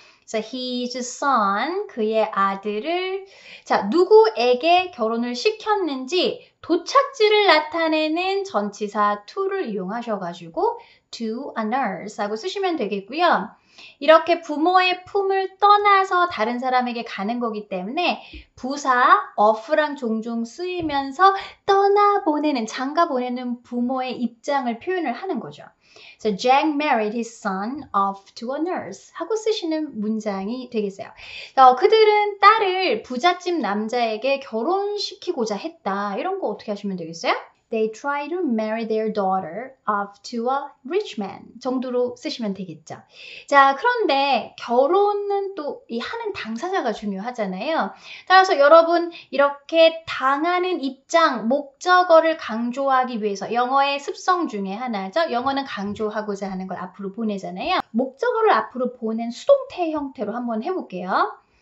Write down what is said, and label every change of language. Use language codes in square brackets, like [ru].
[en] So his son, [ko] 그의 아들을 자, 누구에게 결혼을 시켰는지 도착지를 나타내는 전치사 to를 이용하셔가지고 [en] to a nurse [ko] 하고 쓰시면 되겠고요. 이렇게 부모의 품을 떠나서 다른 사람에게 가는 거기 때문에 부사 of랑 종종 쓰이면서 떠나보내는, 장가보내는 부모의 입장을 표현을 하는 거죠. [en] So Jack married his son off to a nurse [ko] 하고 쓰시는 문장이 되겠어요. 그들은 딸을 부잣집 남자에게 결혼시키고자 했다. 이런 거 어떻게 하시면 되겠어요? [en] They try to marry their daughter off to a rich man [ko] 정도로 쓰시면 되겠죠. 자, 그런데 결혼은 또이 하는 당사자가 중요하잖아요. 따라서 여러분 이렇게 당하는 입장, 목적어를 강조하기 위해서 영어의 습성 중에 하나죠. 영어는 강조하고자 하는 걸 앞으로 보내잖아요. 목적어를 앞으로 보낸 수동태 형태로 한번 해볼게요.